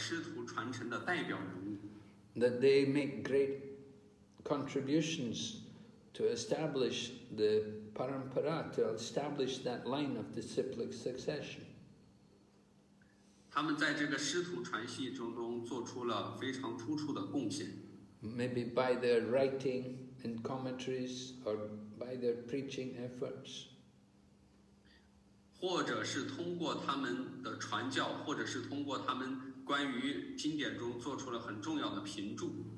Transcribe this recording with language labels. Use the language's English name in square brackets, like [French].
[Chinese] 他们都是这个师徒传承的代表人物. [English] That they make great contributions to establish the parampara, to establish that line of disciplic succession. [Chinese] 他们在这个师徒传系中做出了非常突出的贡献. [English] Maybe by their writing and commentaries or by their preaching efforts. [Chinese] 或者是通过他们的传教，或者是通过他们关于经典中做出了很重要的评注.